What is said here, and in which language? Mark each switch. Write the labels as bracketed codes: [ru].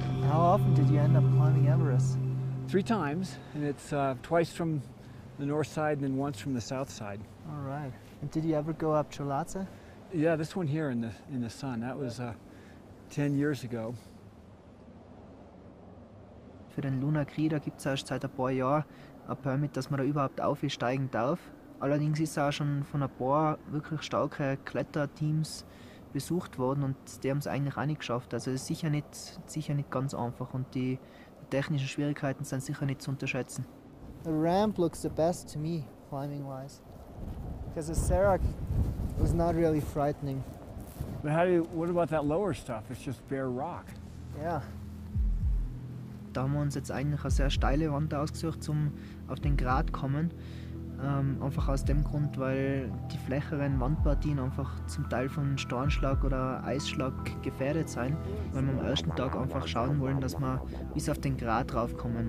[en] How often did you end up climbing Everest? Three times, and it's twice from the north side and then once from the south side. All right. And did you ever go up Chulalongkorn? Yeah, this one here in the sun, that was 10 years ago. [de] Für den Lunar Kree, da gibt es erst seit ein paar Jahren ein Permit, dass man da überhaupt aufsteigen darf. Allerdings ist auch schon von ein paar wirklich starke Kletterteams besucht worden und die haben es eigentlich auch nicht geschafft. Also es ist sicher nicht ganz einfach und die technischen Schwierigkeiten sind sicher nicht zu unterschätzen. [en] The ramp looks the best to me, climbing wise. Because the Serac was not really frightening. But how do you, what about that lower stuff? It's just bare rock. Yeah. [de] Da haben wir uns jetzt eigentlich eine sehr steile Wand ausgesucht, um auf den Grat kommen. Einfach aus dem Grund, weil die flächeren Wandpartien einfach zum Teil von Steinschlag oder Eisschlag gefährdet sein, weil wir am ersten Tag einfach schauen wollen, dass wir bis auf den Grat raufkommen.